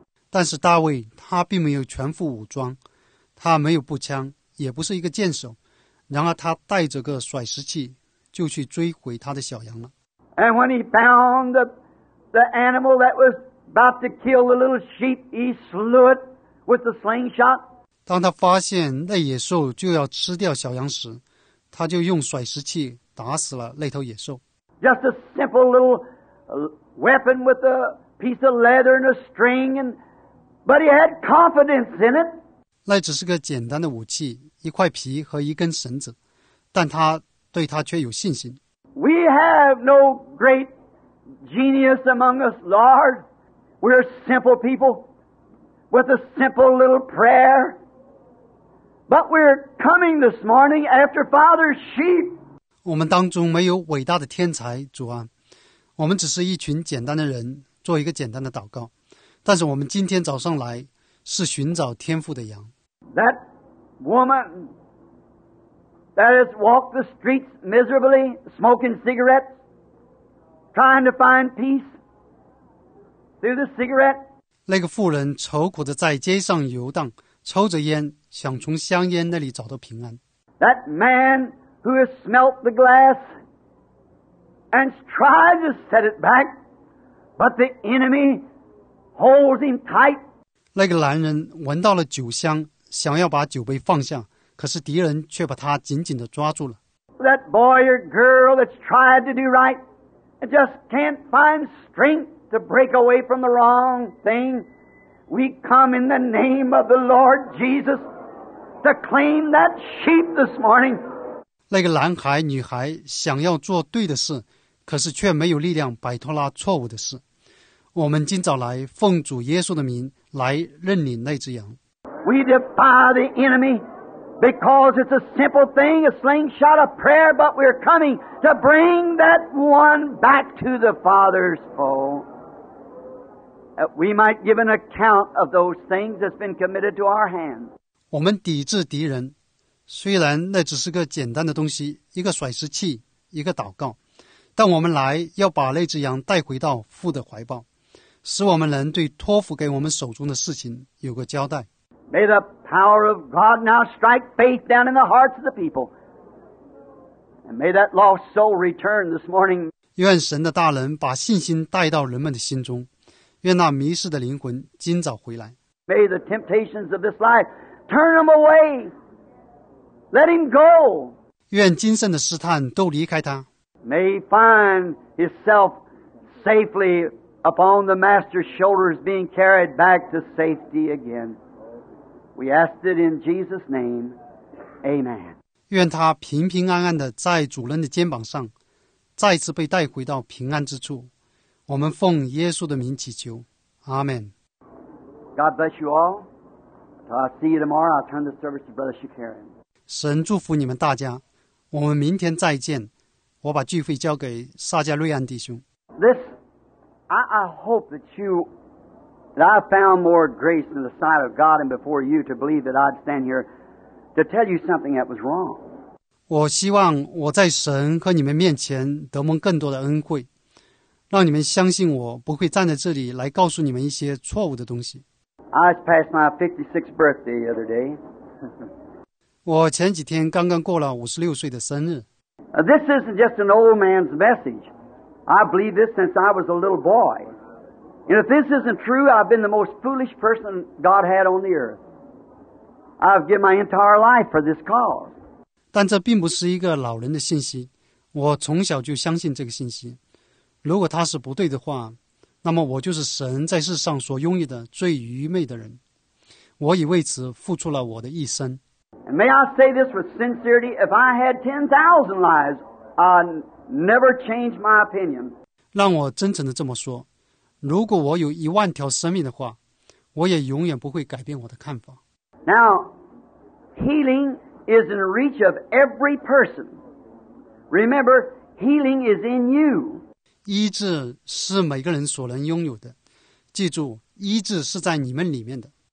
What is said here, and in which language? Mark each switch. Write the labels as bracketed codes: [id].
[zh] 但是大卫他并没有全副武装，他没有步枪，也不是一个箭手，然而他带着个甩石器就去追回他的小羊了。 [en] And when he found the animal that was about to kill the little sheep, he slew it with the slingshot. [zh] 当他发现那野兽就要吃掉小羊时，他就用甩石器打死了那头野兽。 [en] Just a simple little weapon with aPiece of leather and a string, and but he had confidence in it. [zh] 那只是个简单的武器，一块皮和一根绳子，但他对他却有信心。 [en] We have no great genius among us, Lord. We're simple people with a simple little prayer. But we're coming this morning after Father's sheep. [zh] 我们当中没有伟大的天才，主啊，我们只是一群简单的人。做一个简单的祷告，但是我们今天早上来是寻找天父的羊。 [en] That woman that has walked the streets miserably, smoking cigarettes, trying to find peace through the cigarette. [zh] 那个妇人愁苦地在街上游荡，抽着烟，想从香烟那里找到平安。 [en] That man who has smelt the glass and tried to set it back. But the enemy holds him tight. [zh] 那个男人闻到了酒香，想要把酒杯放下，可是敌人却把他紧紧地抓住了。 [en] That boy or girl that's tried to do right and just can't find strength to break away from the wrong thing, we come in the name of the Lord Jesus to claim that sheep this morning. [zh] 那个男孩女孩想要做对的事，可是却没有力量摆脱那错误的事。我们今早来奉主耶稣的名来认领那只羊。 [en] We defy the enemy because it's a simple thing, a slingshot of prayer, but we're coming to bring that one back to the Father's fold. That we might give an account of those things that's been committed to our hands. [zh] 我们抵制敌人，虽然那只是个简单的东西，一个甩石器，一个祷告。但我们来要把那只羊带回到父的怀抱，使我们能对托付给我们手中的事情有个交代。 [en] May the power of God now strike faith down in the hearts of the people. And may that lost soul return this morning. [zh] 愿神的大能把信心带到人们的心中，愿那迷失的灵魂今早回来。 [en] May the temptations of this life turn him away. Let him go. [zh] 愿今生的试探都离开他。 [en] May he find himself safely upon the Master's shoulders, being carried back to safety again. We ask it in Jesus' name. Amen. [zh] 愿他平平安安地在主人的肩膀上，再次被带回到平安之处。我们奉耶稣的名祈求，阿门。 [en] God bless you all. Until I see you tomorrow, I'll turn the service to Brother Shakarian. [zh] 神祝福你们大家，我们明天再见。我把聚会交给撒加瑞安弟兄。 [en] I hope that I found more grace in the sight of God and before you to believe that I'd stand here to tell you something that was wrong. [zh] 我希望我在神和你们面前得蒙更多的恩惠，让你们相信我不会站在这里来告诉你们一些错误的东西。 [en] I just passed my 56th birthday the other day. [zh] 我前几天刚刚过了56岁的生日。 [en] This isn't just an old man's message. I believe this since I was a little boy. And if this isn't true, I've been the most foolish person God had on the earth. I've given my entire life for this cause. [zh] 但这并不是一个老人的信息。我从小就相信这个信息。如果它是不对的话，那么我就是神在世上所拥有的最愚昧的人。我已为此付出了我的一生。 [en] And may I say this with sincerity, if I had 10,000 lives, I'd never change my opinion. [zh] 让我真诚地这么说，如果我有一万条生命的话，我也永远不会改变我的看法。 [en] Now, healing is in reach of every person. Remember, healing is in you. [zh] 医治是每个人所能拥有的，记住，医治是在你们里面的。